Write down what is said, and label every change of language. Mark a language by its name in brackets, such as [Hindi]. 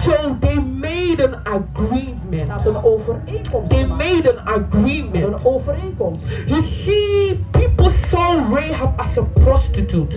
[English] So they made an agreement. [Dutch] Ze hadden een overeenkomst. [English] They made an agreement. [Dutch] Ze hadden een overeenkomst. [English] You see, people saw Rahab as a prostitute.